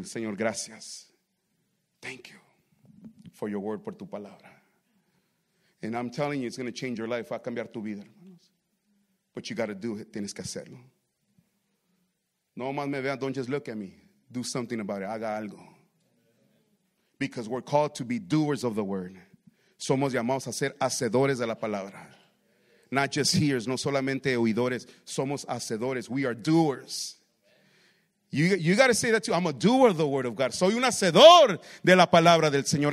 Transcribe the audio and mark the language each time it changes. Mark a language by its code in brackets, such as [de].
[es] Señor, gracias. [en] Thank you for your word, [es] por tu palabra. [en] And I'm telling you, it's going to change your life. [es] Va a cambiar tu vida, hermanos. [en] But you got to do it. [es] Tienes que hacerlo. No más me vean. [en] Don't just look at me. Do something about it. [es] Haga algo. [en] Because we're called to be doers of the word. [es] Somos llamados a ser hacedores de la palabra. [en] Not just hearers. [es] No solamente oidores. Somos hacedores. [en] We are doers. You got to say that too. I'm a doer of the word of God. [es] Soy un hacedor de la palabra del Señor.